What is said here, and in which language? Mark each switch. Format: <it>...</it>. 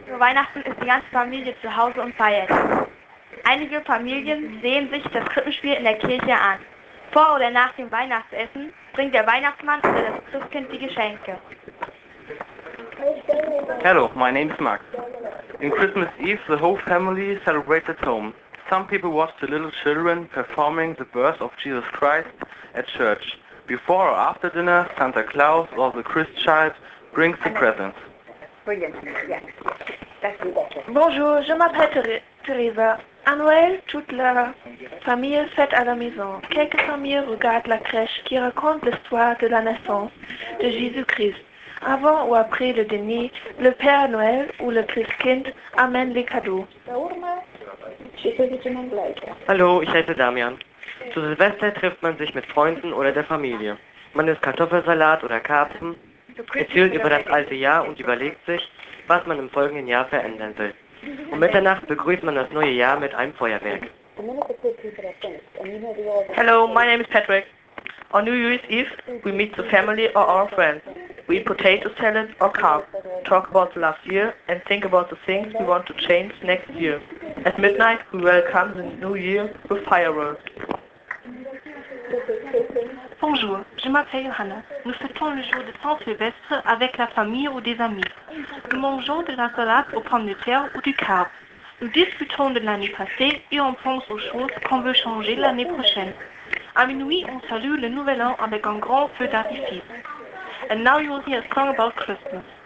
<de>Für Weihnachten ist die ganze Familie zu Hause und feiert. Einige Familien sehen sich das Krippenspiel in der Kirche an. Vor oder nach dem Weihnachtsessen bringt der Weihnachtsmann oder das Christkind die Geschenke.</de> <en>Hello, my name is Max. In Christmas Eve, the whole family celebrates at home. Some people watch the little children performing the birth of Jesus Christ at church. Before or after dinner, Santa Claus or the Christ child brings the presents.</en> <fr>Bonjour, je m'appelle Teresa. À Noël, toute la famille fête à la maison. Quelques familles regardent la crèche qui raconte l'histoire de la naissance de Jésus Christ. Avant ou après le dîner, le Père Noël ou le Christkind amène les cadeaux.</fr> <de>Hallo, ich heiße Damian. Zu Silvester trifft man sich mit Freunden oder der Familie. Man isst Kartoffelsalat oder Karpfen, erzählt über das alte Jahr und überlegt sich, was man im folgenden Jahr verändern will. Um Mitternacht begrüßt man das neue Jahr mit einem Feuerwerk.</de> <en>Hello, my name is Patrick. On New Year's Eve, we meet the family or our friends. We eat potato salad or carb, talk about the last year and think about the things we want to change next year. At midnight, we welcome the new year with fireworks.</en> <fr>Bonjour, je m'appelle Johanna. Nous fêtons le jour de Saint-Sylvestre avec la famille ou des amis. Nous mangeons de la salade aux pommes de terre ou du carb. Nous discutons de l'année passée et on pense aux choses qu'on veut changer l'année prochaine. À minuit, on salue le nouvel an avec un grand feu d'artifice.</fr> <en>And now you will hear a song about Christmas.</en>